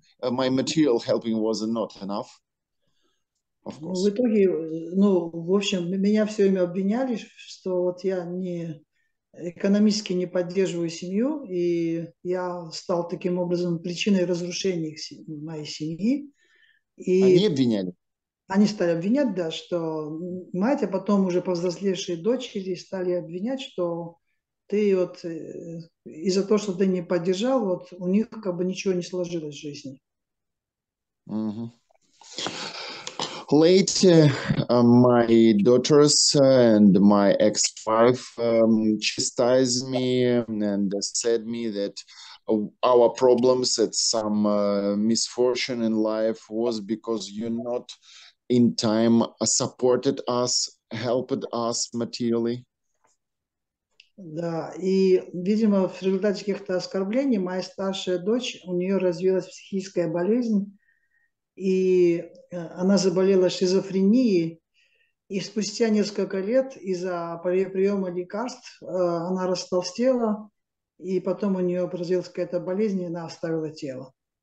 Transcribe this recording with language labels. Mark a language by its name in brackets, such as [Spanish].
[English] My material helping was not enough, of course. [Russian] В итоге, ну, в общем, меня все время обвиняли, что вот я не экономически не поддерживаю семью, и я стал таким образом причиной разрушения моей семьи. И они обвиняли. Они стали обвинять, да, что мать, а потом уже повзрослевшие дочери стали обвинять, что ты вот из-за того, что ты не поддержал, вот у них как бы ничего не сложилось в жизни. [English] Later, my daughters and my ex-wife chastised me and said me that our problems at some misfortune in life was because you're not in time supported us, helped us materially. [Russian] Да, и, видимо, в результате каких-то оскорблений моя старшая дочь, у нее развилась психическая болезнь, и она заболела шизофренией, и спустя несколько лет из-за приема лекарств она растолстела, и потом у нее развилась какая-то болезнь, и она оставила тело.